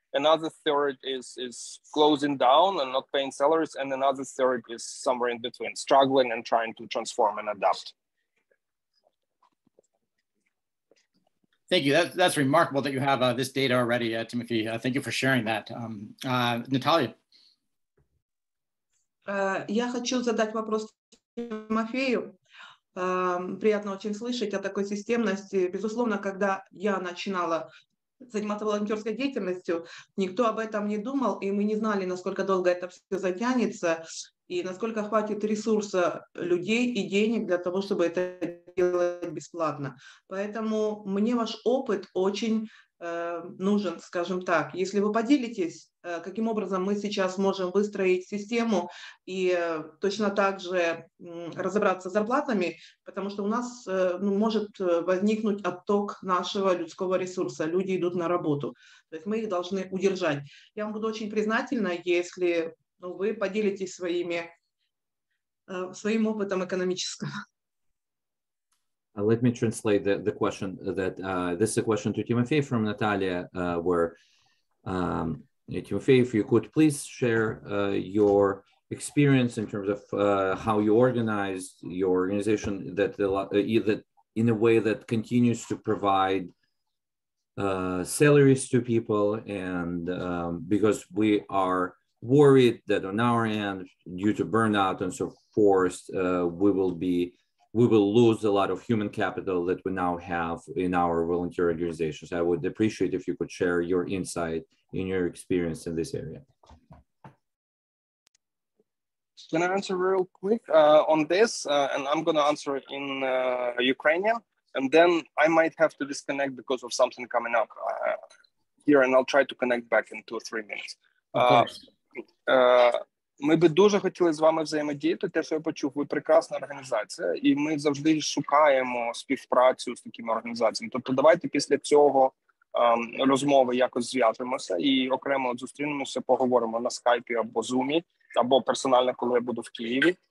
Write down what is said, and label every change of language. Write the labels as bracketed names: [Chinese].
[English] Another third is closing down and not paying salaries. And another third is somewhere in between, struggling and trying to transform and adapt. Thank you. That's remarkable that you have this data already, Tymofiy. Thank you for sharing that. Natalia. [Russian] Я хочу задать вопрос Тимофею. приятно очень слышать о такой системности. Безусловно, когда я начинала заниматься волонтерской деятельностью, никто об этом не думал, и мы не знали, насколько долго это все затянется, и насколько хватит ресурса людей и денег для того, чтобы это делать бесплатно. Поэтому мне ваш опыт очень нужен, скажем так. Если вы поделитесь, каким образом мы сейчас можем выстроить систему и точно так же разобраться с зарплатами, потому что у нас может возникнуть отток нашего людского ресурса. Люди идут на работу. То есть мы их должны удержать. Я вам буду очень признательна, если вы поделитесь своим опытом экономическим. [English] Let me translate the question that this is a question to Tymofiy from Natalia, where Tymofiy, if you could please share your experience in terms of how you organized your organization that in a way that continues to provide salaries to people, and because we are worried that on our end, due to burnout and so forth, we will lose a lot of human capital that we now have in our volunteer organizations. I would appreciate if you could share your insight in your experience in this area. Can I answer real quick on this? And I'm going to answer in Ukrainian, and then I might have to disconnect because of something coming up here, and I'll try to connect back in 2 or 3 minutes. [Ukrainian] Ми би дуже хотіли з вами взаємодіяти. Те, що я почув, ви прекрасна організація, і ми завжди шукаємо співпрацю з такими організаціями. Тобто давайте після цього розмови якось зв'яжемося і окремо зустрінемося, поговоримо на скайпі або зумі, або персонально, коли я буду в Києві.